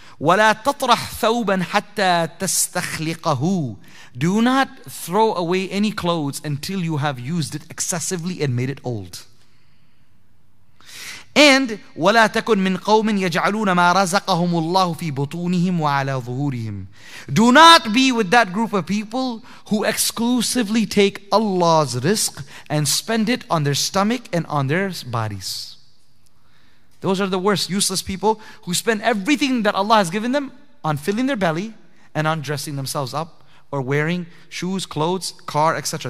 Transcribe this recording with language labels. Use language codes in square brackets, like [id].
[ar] ولا تطرح ثوبا حتى تستخلقه. [en] Do not throw away any clothes until you have used it excessively and made it old. [ar] And ولا تكن من قوم يجعلون ما رزقهم الله في بطونهم وعلى ظهورهم. [en] Do not be with that group of people who exclusively take Allah's risk and spend it on their stomach and on their bodies. Those are the worst, useless people who spend everything that Allah has given them on filling their belly and on dressing themselves up or wearing shoes, clothes, car, etc.